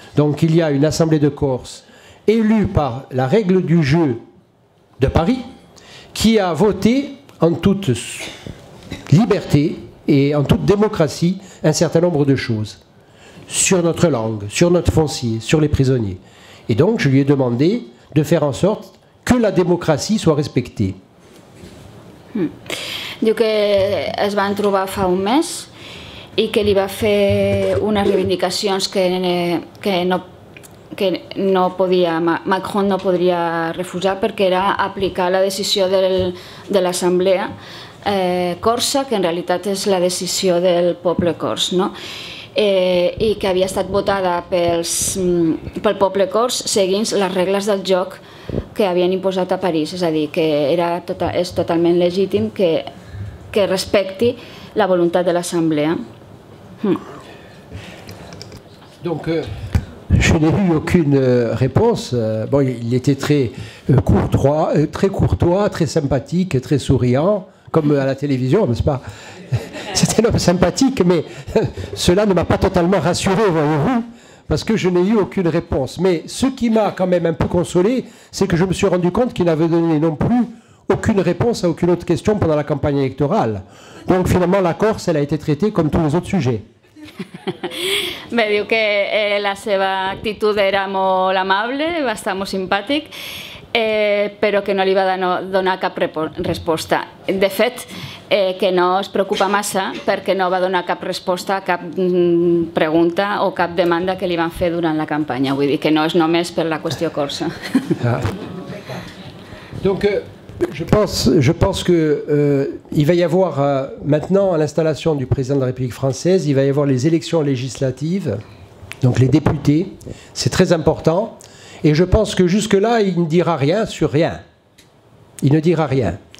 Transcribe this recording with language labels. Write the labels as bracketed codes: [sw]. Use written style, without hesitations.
[fr] Donc il y a une Assemblée de Corse élue par la règle du jeu de Paris, qui a voté en toute liberté et en toute démocratie un certain nombre de choses sur notre langue, sur notre foncier, sur les prisonniers. Et donc je lui ai demandé de faire en sorte que la démocratie soit respectée. [ca] Diu que es van trobar fa un mes i que li va fer unes reivindicacions que no podia, Macron no podria refusar, perquè era aplicar la decisió de l'Assemblea corsa, que en realitat és la decisió del poble cors, no? I que havia estat votada pel poble cors seguint les regles del joc que havien imposat a París, és a dir, que és totalment legítim que respecti la voluntat de l'Assemblea. [fr] Donc, je n'ai eu aucune réponse. Bon, il était très courtois, très courtois, très sympathique, très souriant, comme à la télévision, n'est-ce pas? C'était un homme sympathique, mais cela ne m'a pas totalement rassuré, voyez-vous, parce que je n'ai eu aucune réponse. Mais ce qui m'a quand même un peu consolé, c'est que je me suis rendu compte qu'il n'avait donné non plus aucune réponse à aucune autre question pendant la campagne électorale. Donc finalement, la Corse, elle a été traitée comme tous les autres sujets. [ca] Me diu que la seva actitud era molt amable, va estar molt simpàtic, però que no li va donar cap resposta. De fet, que no es preocupa massa perquè no va donar cap resposta a cap pregunta o cap demanda que li van fer durant la campanya. Vull dir que no és només per la qüestió corsa. [fr] Donc, Je pense que il va y avoir maintenant l'installation du président de la République française, il va y avoir les élections législatives, donc les députés, c'est très important, et je pense que jusque-là, il ne dira rien sur rien. Il ne dira rien.